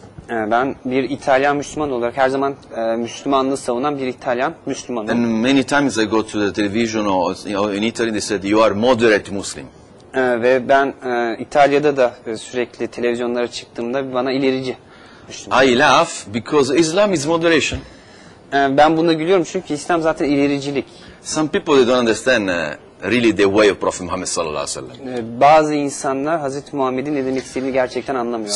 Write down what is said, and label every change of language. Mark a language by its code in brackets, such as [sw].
[tr] Ben bir İtalyan Müslüman olarak her zaman Müslümanlığı savunan bir İtalyan Müslümanım. [en] And many times I go to the television or in Italy they said you are moderate Muslim. [tr] Ve ben İtalya'da da sürekli televizyonlara çıktığımda bana ilerici Müslüman. [en] I laugh because Islam is moderation. [tr] Ben buna gülüyorum çünkü İslam zaten ilericilik. [en] Some people they don't understand really the way of Prophet Muhammad [ar] sallallahu aleyhi ve sellem. [tr] Bazı insanlar Hazreti Muhammed'in ne demek istediğini gerçekten anlamıyorlar.